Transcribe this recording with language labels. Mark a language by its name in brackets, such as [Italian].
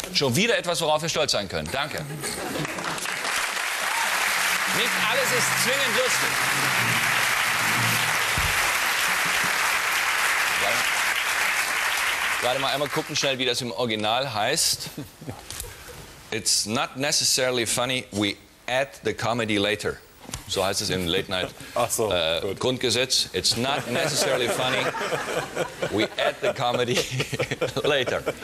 [German] Schon wieder etwas, worauf wir stolz sein können. Danke. Nicht alles ist zwingend lustig. Gerade mal einmal gucken schnell, wie das im Original heißt. [English] It's not necessarily funny, we add the comedy later. [German] So heißt es im Late Night Grundgesetz. [English] It's not necessarily funny, we add the comedy later.